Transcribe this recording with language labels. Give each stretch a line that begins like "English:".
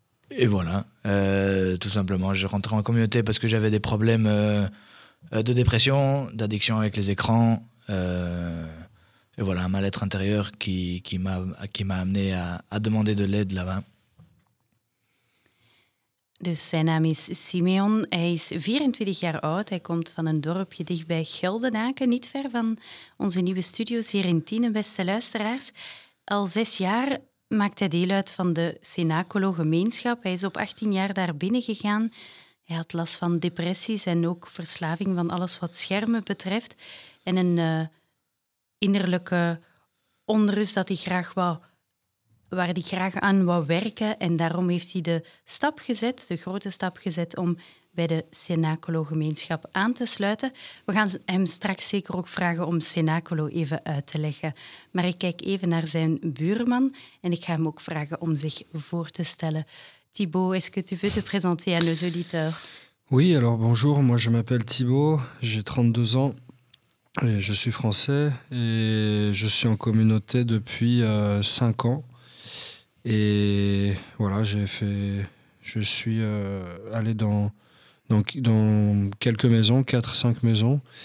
French: Et voilà, tout simplement, je rentrais en communauté parce que j'avais des problèmes de dépression, d'addiction avec les écrans. Et voilà, un mal-être intérieur qui m'a amené à demander de l'aide là-bas.
Dutch: Dus zijn naam is Siméon, hij is 24 jaar oud. Hij komt van een dorpje dichtbij Geldenaken, niet ver van onze nieuwe studio's hier in Tienen, beste luisteraars. Al 6 jaar maakt hij deel uit van de Cenacolo-gemeenschap. Hij is op 18 jaar daar binnengegaan. Hij had last van depressies en ook verslaving van alles wat schermen betreft. En een innerlijke onrust dat hij graag wou, waar hij graag aan wou werken. En daarom heeft hij de stap gezet, de grote stap gezet, om bij de Cenacolo-gemeenschap aan te sluiten. We gaan hem straks zeker ook vragen om Cenacolo even uit te leggen. Maar ik kijk even naar zijn buurman en ik ga hem ook vragen om zich voor te stellen.
French: Thibaut, est-ce que tu veux te présenter à nos auditeurs? Oui, alors bonjour, moi je m'appelle Thibaut, j'ai 32 ans et je suis français et je suis en communauté depuis 5 ans. Et voilà, je suis allé dans quelques maisons, 4-5 maisons.